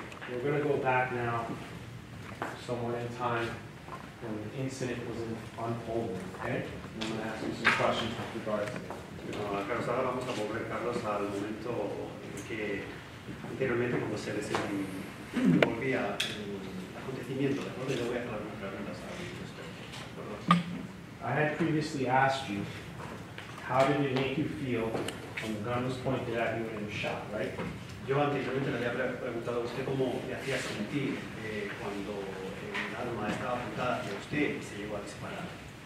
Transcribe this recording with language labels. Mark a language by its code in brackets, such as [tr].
[en] We're going to go back now, somewhere in time, when the incident was unfolding, okay? And I'm going to ask you some questions with regards to it. [es] Carlos, ahora vamos a volver, Carlos, al momento que anteriormente cuando se volvía el acontecimiento, le voy a hacer algunas preguntas a ustedes. [en] I had previously asked you, how did it make you feel when the gun was pointed at you and you shot, right? [es] Yo anteriormente le había preguntado a usted cómo le hacía sentir cuando el arma estaba apuntada hacia usted y se llegó a disparar.